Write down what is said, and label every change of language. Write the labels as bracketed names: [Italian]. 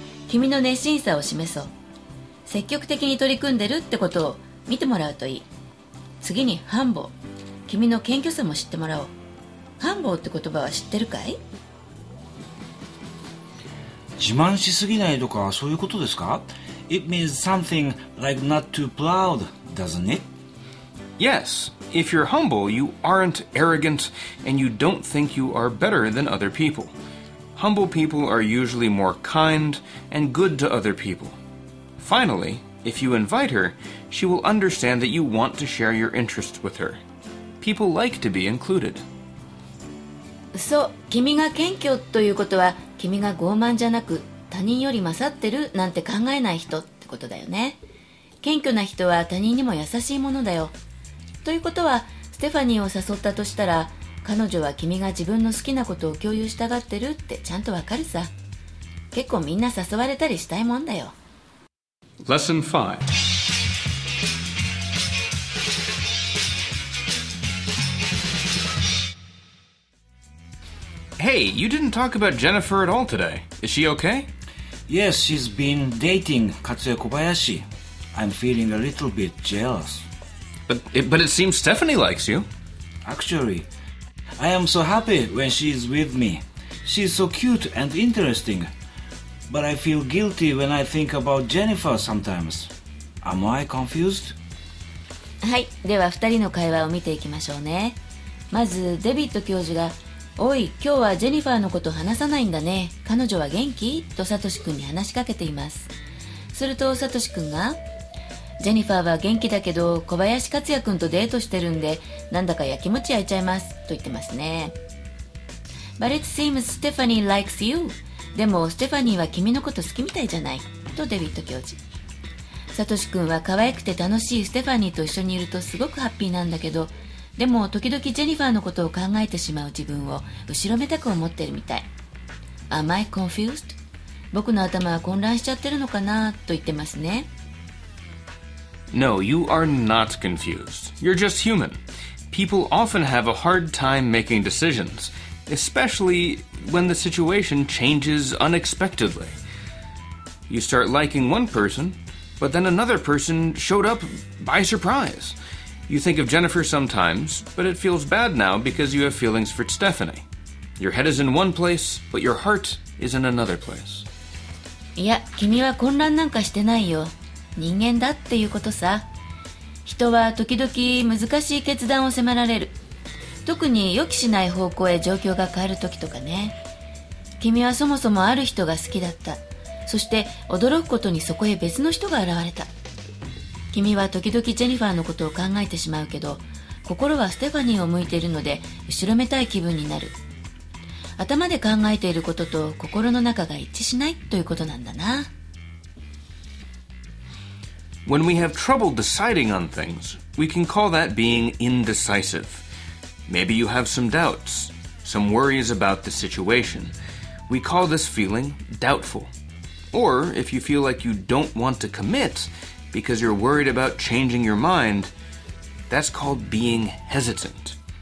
[Japanese] 君の熱心さを示そう。積極的に取り組んでるってことを見てもらうといい。次に、ハンボー。君の謙虚さも知ってもらおう。ハンボーって言葉は知ってるかい？自慢しすぎないとかそういうことですか？ [English] It means something like not too proud, doesn't it? Yes, If you're humble, you aren't arrogant, and you don't think you are better than other people. Humble people are usually more kind and good to other people. Finally, if you invite her, she will understand that you want to share your interests with her. People like to be included. [Japanese] So, 君が謙虚ということは、君が傲慢じゃなく、他人より勝ってるなんて考えない人ってことだよね。謙虚な人は他人にも優しいものだよ。ということは、ステファニーを誘ったとしたら、彼女は君が自分の好きなことを共有したがってるってちゃんとわかるさ。結構みんな誘われたりしたいもんだよ。 [English] Lesson 5. Hey, you didn't talk about Jennifer at all today. Is she okay? Yes, she's been dating Katsuya Kobayashi. I'm feeling a little bit jealous. But it seems Stephanie likes you. Actually, I am so happy when she's with me. She's so cute and interesting. But I feel guilty when I think about Jennifer sometimes. Am I confused? [Japanese] はい、では二人の会話を見ていきましょうね。まずデビッド教授が、おい、今日はジェニファーのこと話さないんだね。彼女は元気？とサトシ君に話しかけています。するとサトシ君が、ジェニファーは元気だけど小林克也君とデートしてるんで、なんだかやきもち焼いちゃいます。と言ってますね。 [English] But it seems Stephanie likes you. [Japanese] でもステファニーは君のこと好きみたいじゃないとデビッド教授。サトシ君は可愛くて楽しいステファニーと一緒にいるとすごくハッピーなんだけど、でも時々ジェニファーのことを考えてしまう自分を後ろめたく思ってるみたい。 [English] Am I confused? [Japanese] 僕の頭は混乱しちゃってるのかなと言ってますね。 [English] No, you are not confused. You're just human. People often have a hard time making decisionsespecially when the situation changes unexpectedly. You start liking one person, but then another person showed up by surprise. You think of Jennifer sometimes, but it feels bad now because you have feelings for Stephanie. Your head is in one place, but your heart is in another place. [Japanese] いや、君は混乱なんかしてないよ。人間だっていうことさ。人は時々難しい決断を迫られる。特に予期しない方向へ状況が変わる時とかね。君はそもそもある人が好きだった。そして驚くことにそこへ別の人が現れた。君は時々ジェニファーのことを考えてしまうけど、心はステファニーを向いているので後ろめたい気分になる。頭で考えていることと心の中が一致しないということなんだな。 [English] When we have trouble deciding on things, we can call that being indecisiveMaybe you have some doubts, some worries about the situation. We call this feeling doubtful. Or if you feel like you don't want to commit because you're worried about changing your mind, that's called being hesitant.